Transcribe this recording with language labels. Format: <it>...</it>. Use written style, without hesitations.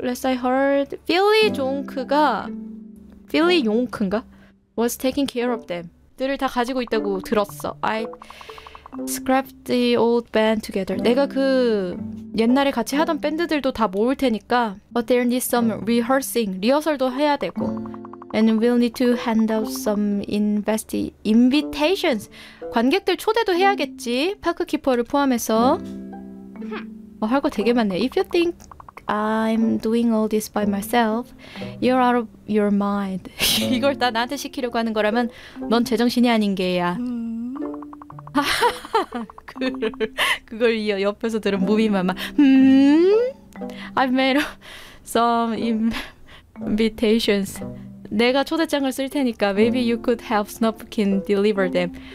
<en>Last I heard, Philly Yonk가 Philly Yonk인가? Was taking care of them.</en> <ko>들을 다 가지고 있다고 들었어.</ko> <en>I scrapped the old band together.</en> <ko>내가 그 옛날에 같이 하던 밴드들도 다 모을 테니까.</ko> <en>But there needs some rehearsing.</en> <ko>리허설도 해야 되고.</ko> <en>And we'll need to hand out some invitations.</en> <ko>관객들 초대도 해야겠지. 파크키퍼를 포함해서. 어, 할 거 되게 많네.</ko> <en>If you think I'm doing all this by myself, you're out of your mind.</en> <ko>이걸 다 나한테 시키려고 하는 거라면 넌 제정신이 아닌 게야. 그걸 이어 옆에서 들은 무비마마.</ko> <en>I've made some invitations.</en> <ko>내가 초대장을 쓸 테니까</ko> <en>maybe you could help Snuffkin deliver them.</en>